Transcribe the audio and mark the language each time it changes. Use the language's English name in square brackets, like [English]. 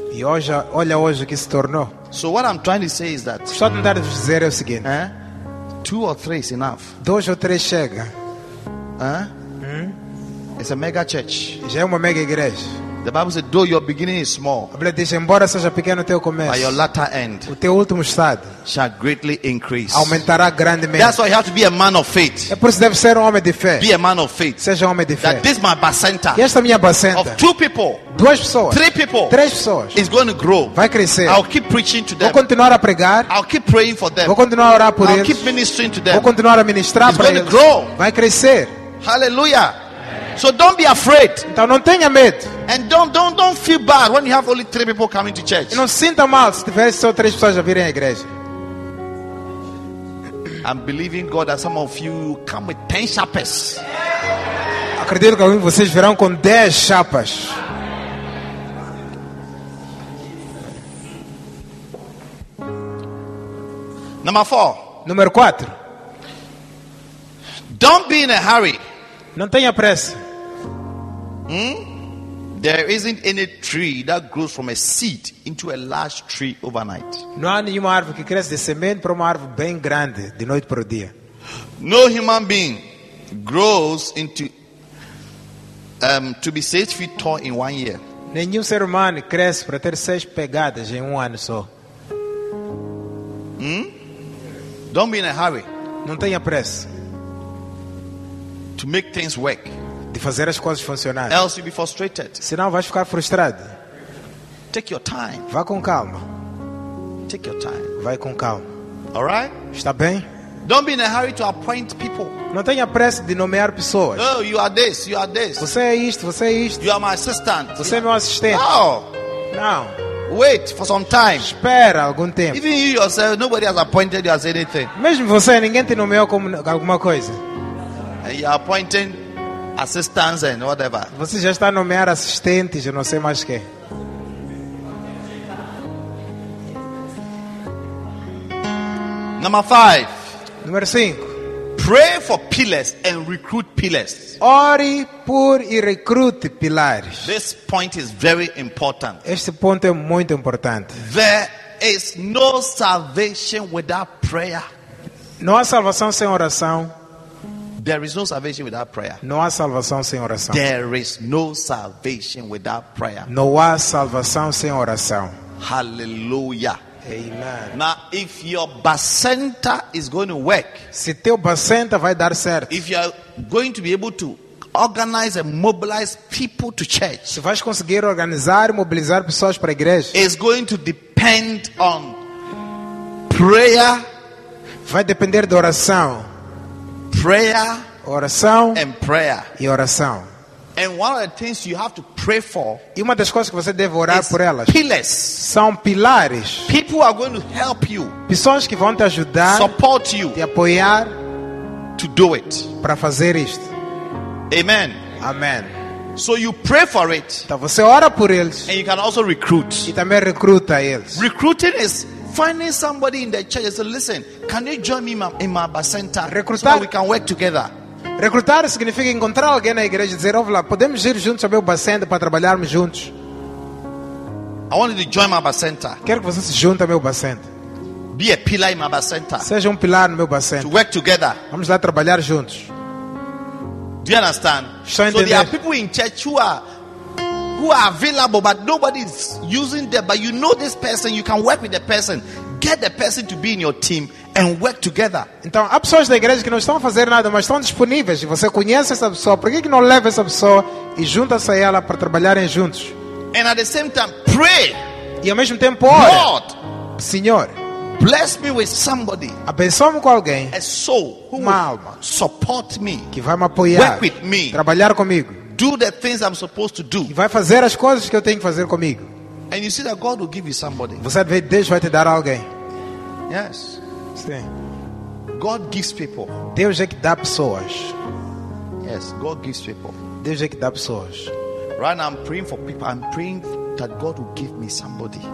[Portuguese] E hoje, olha hoje o que se tornou. [English] So what I'm trying to say is that. [Portuguese] Só tentar dizer é o seguinte. [English] Two or three is enough. [Portuguese] Dois ou três chega. [English] It's a mega church. [Portuguese] Já é uma mega igreja. [English] The Bible says, though your beginning is small, [Portuguese] a Bíblia diz, embora seja pequeno teu começo, [English] by your latter end, [Portuguese] o teu último estado, [English] shall greatly increase, [Portuguese] aumentará grandemente. [English] That's why you have to be a man of faith. [Portuguese] É por isso que deve ser um homem de fé. [English] Be a man of faith. [Portuguese] Seja um homem de fé. [English] That this my Bacenta. [Portuguese] E esta minha Bacenta. [English] Of two people, [Portuguese] duas pessoas, [English] three people, [Portuguese] três pessoas, [English] is going to grow. [Portuguese] Vai crescer. [English] I'll keep preaching to them. [Portuguese] Vou continuar a pregar. [English] I'll keep praying for them. [Portuguese] Vou continuar a orar por [English] I'll [Portuguese] eles. [English] Keep ministering to them. [Portuguese] Vou continuar a ministrar [English] It's [Portuguese] para eles. [English] It's going to grow. [Portuguese] Vai crescer. [English] Hallelujah. So don't be afraid. [Portuguese] Então não tenha medo. [English] And don't feel bad when you have only three people coming to church. [Portuguese] E não sinta mal se tiver só três pessoas a virem à igreja. [English] I'm believing God that some of you come with 10 chapas. [Portuguese] Acredito que alguns de vocês virão com 10 chapas. [English] Number 4. [Portuguese] Número 4. [English] Don't be in a hurry. [Portuguese] Não tenha pressa. [English] There isn't any tree that grows from a seed into a large tree overnight. [Portuguese] Não há nenhuma árvore que cresce de semente para uma árvore bem grande de noite para o dia. [English] No human being grows into to be 6 feet tall in 1 year. [Portuguese] Nenhum ser humano cresce para ter 6 pegadas em 1 ano só. [English] Don't be in a hurry. [Portuguese] Não tenha pressa. [English] To make things work. [Portuguese] De fazer as coisas funcionar. [English] Else you'll be frustrated. [Portuguese] Senão vais ficar frustrado. [English] Take your time. [Portuguese] Vá com calma. [English] Take your time. [Portuguese] Vai com calma. [English] All right? [Portuguese] Está bem? [English] Don't be in a hurry to appoint people. [Portuguese] Não tenha pressa de nomear pessoas. [English] Oh, you are this, you are this. [Portuguese] Você é isto, você é isto. [English] You are my assistant. [Portuguese] Você é meu assistente. [English] No. No. Wait for some time. [Portuguese] Espera algum tempo. [English] Even you yourself, nobody has appointed you as anything. [Portuguese] Mesmo você, ninguém te nomeou como alguma coisa. [English] And you are appointing assistants and whatever. [Portuguese] Você já está a nomear assistentes, eu não sei mais quê. [English] Number 5. [Portuguese] Número 5. [English] Pray for pillars and recruit pillars. [Portuguese] Ore por e recrute pilares. [English] This point is very important. [Portuguese] Este ponto é muito importante. [English] There is no salvation without prayer. [Portuguese] Não há salvação sem oração. [English] There is no salvation without prayer. [Portuguese] Não há salvação sem oração. [English] There is no salvation without prayer. [Portuguese] Não há salvação sem oração. [English] Hallelujah. [Portuguese] Amen. [English] Now, if your Bacenta is going to work, [Portuguese] se teu Bacenta vai dar certo, [English] if you are going to be able to organize and mobilize people to church, [Portuguese] se vais conseguir organizar e mobilizar pessoas para a igreja, [English] it's going to depend on prayer. [Portuguese] Vai depender da oração. [English] Prayer, [Portuguese] oração, [English] and prayer, [Portuguese] e oração. [English] And one of the things you have to pray for, [Portuguese] e uma das coisas que você deve orar por elas, [English] pillars, [Portuguese] são pilares. [English] People are going to help you, [Portuguese] pessoas que vão te ajudar, [English] support you, [Portuguese] te apoiar, [English] to do it, [Portuguese] para fazer isto. [English] Amen. [Portuguese] Amen. [English] So you pray for it, [Portuguese] então você ora por eles, [English] and you can also recruit, [Portuguese] e também recruta eles. [English] Recruiting is finding somebody in the church and say, listen, can you join me in my Bacenta? [Portuguese] Recrutar, [English] so we can work together. [Portuguese] Recrutar significa encontrar alguém na igreja e dizer, olha, podemos ir juntos ao meu Bacenta para trabalharmos juntos. [English] I want you to join my Bacenta. [Portuguese] Quero que você se junte ao meu Bacenta. [English] Be a pillar in my Bacenta. [Portuguese] Seja um pilar no meu Bacenta. [English] To work together. [Portuguese] Vamos lá trabalhar juntos. [English] Do you understand? [Portuguese] Estou a entender. [English] So there are people in church who are available, but nobody is using them. But you know this person, you can work with the person. Get the person to be in your team and work together. [Portuguese] Então, há pessoas da igreja que não estão a fazer nada, mas estão disponíveis. E você conhece essa pessoa, por que não leva essa pessoa e junta-se a ela para trabalharem juntos? [English] And at the same time, pray. [Portuguese] E ao mesmo tempo, ore. [English] Lord, [Portuguese] Senhor, [English] bless me with somebody. [Portuguese] Abençoa-me com alguém. [English] A soul who [Portuguese] uma alma. [English] Support me. [Portuguese] Que vai me apoiar. [English] Work with me. [Portuguese] Trabalhar comigo. [English] Do the things I'm supposed to do. [Portuguese] E vai fazer as coisas que eu tenho que fazer comigo. [English] And you see that God will give you somebody. [Portuguese] Você vê Deus vai te dar alguém. [English] Yes. [Portuguese] Sim. [English] God gives people. [Portuguese] Deus é que dá pessoas. [English] Yes, God gives people. [Portuguese] Deus é que dá pessoas. [English] Right now I'm praying for people. I'm praying that God will give me somebody.